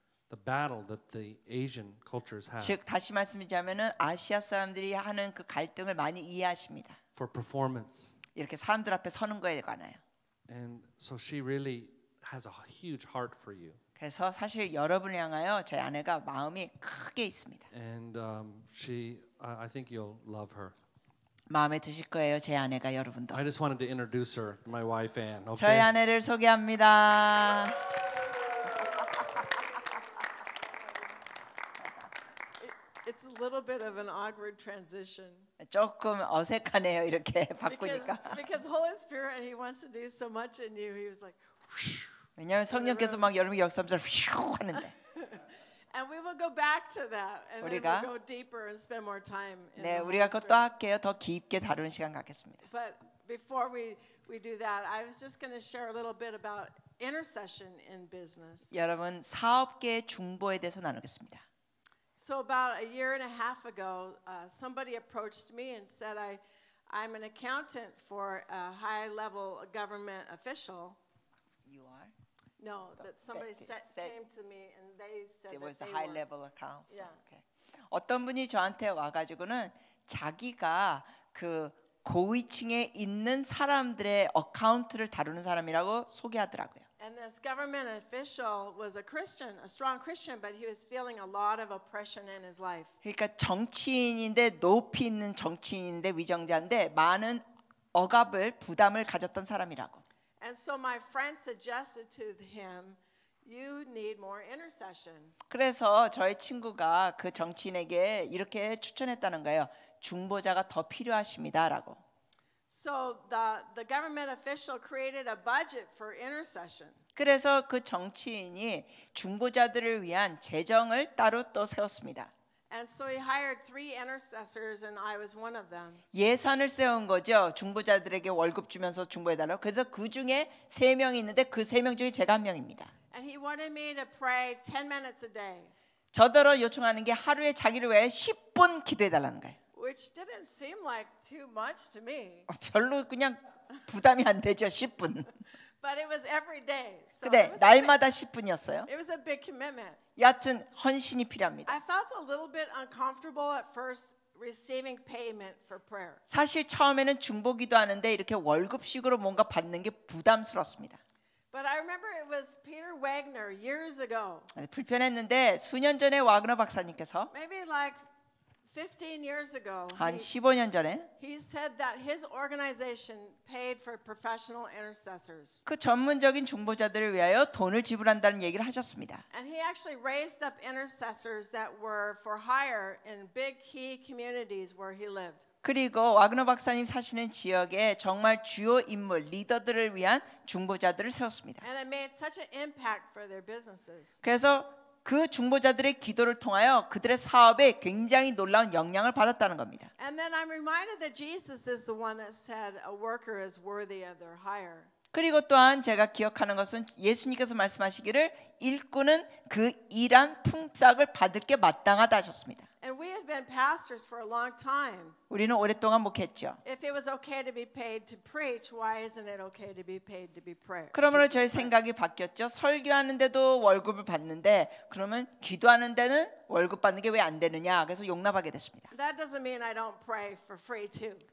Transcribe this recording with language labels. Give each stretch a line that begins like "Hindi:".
English: the battle that the Asian cultures have.
Korean: 즉 다시 말씀드리자면은 아시아 사람들이 하는 그 갈등을 많이 이해하십니다.
English: For performance.
Korean: 이렇게 사람들 앞에 서는 거에 관하여.
English: And so she really has a huge heart for you.
Korean: 그래서 사실 여러분을 향하여 제 아내가 마음이 크게 있습니다.
English: And she, I think you'll love her.
Korean: 마음에 드실 거예요, 제 아내가 여러분도.
English: I just wanted to introduce her, my wife Anne. Okay?
Korean: 저희 아내를 소개합니다.
English: It's a little bit of an awkward transition.
Korean: 조금 어색하네요, 이렇게 바꾸니까.
English: Because Holy Spirit, He wants to do so much in you. He was like.
Korean: 왜냐하면 성령께서 막 여러분 역사하면서 휘우 하는데.
English: And we will go back to that, and we will go deeper and spend more time.
Korean: 네, 우리가 그것도 할게요. 더 깊게 다루는 시간 갖겠습니다.
English: But before we do that, I was just going to share a little bit about intercession in business.
Korean: 여러분 사업계 중보에 대해서 나누겠습니다.
English: So about a year and a half ago, somebody approached me and said, "I'm an accountant for a high-level government official." You are. No, that somebody said came to me and they said there was that a high-level account. Yeah. Okay.
Korean: 어떤 분이 저한테 와가지고는 자기가 그 고위층에 있는 사람들의 어카운트를 다루는 사람이라고 소개하더라고요.
English: And this government official was a Christian, a strong Christian, but he was feeling a lot of oppression in his life.
Korean: 그러니까 정치인인데 높이 있는 정치인인데 위정자인데 많은 억압을 부담을 가졌던 사람이라고.
English: And so my friend suggested to him, "You need more intercession."
Korean: 그래서 저의 친구가 그 정치인에게 이렇게 추천했다는 거예요. 중보자가 더 필요하십니다라고.
English: So the government official created a budget for intercession.
Korean: 그래서 그 정치인이 중보자들을 위한 재정을 따로 또 세웠습니다.
English: And so he hired three intercessors, and I was one of them.
Korean: 예산을 세운 거죠. 중보자들에게 월급 주면서 중보해 달라고. 그래서 그 중에 세 명이 있는데 그 세 명 중에 제가 한 명입니다.
English: And he wanted me to pray 10 minutes a day.
Korean: 저더러 요청하는 게 하루에 자기를 위해 10분 기도해 달라는 거예요.
English: Which didn't seem like too much to me.
Korean: 별로 그냥 부담이 안 되죠, 10분.
English: But it was every day.
Korean: 근데 날마다 10분이었어요.
English: It was a big commitment.
Korean: 여하튼 헌신이 필요합니다.
English: I felt a little bit uncomfortable at first receiving payment for prayer.
Korean: 사실 처음에는 중보 기도하는데 이렇게 월급식으로 뭔가 받는 게 부담스럽습니다.
English: But I remember it was Peter Wagner years ago.
Korean: 불편했는데 수년 전에 와그너 박사님께서
English: Maybe like 15 years ago.
Korean: 한 15년 전에
English: He said that his organization paid for professional intercessors.
Korean: 그 전문적인 중보자들을 위하여 돈을 지불한다는 얘기를 하셨습니다.
English: And he actually raised up intercessors that were for hire in big key communities where he lived.
Korean: 그리고 와그너 박사님 사시는 지역에 정말 주요 인물 리더들을 위한 중보자들을 세웠습니다.
English: And it made such an impact for their businesses.
Korean: 그래서 그 중보자들의 기도를 통하여 그들의 사업에 굉장히 놀라운 영향을 받았다는 겁니다.
English: And then I'm reminded that Jesus is the one that said a worker is worthy of their hire.
Korean: 그리고 또한 제가 기억하는 것은 예수님께서 말씀하시기를 일꾼은 그 일한 품삯을 받을 게 마땅하다 하셨습니다.
English: And we had been pastors for a long time.
Korean: 우리는 오랫동안 목했죠.
English: If it was okay to be paid to preach, why isn't it okay to be paid to be prayer?
Korean: 그러므로 저희 생각이 바뀌었죠. 설교하는데도 월급을 받는데 그러면 기도하는 데는 월급 받는 게 왜 안 되느냐? 그래서 용납하게 됐습니다.
English: That doesn't mean I don't pray for free too.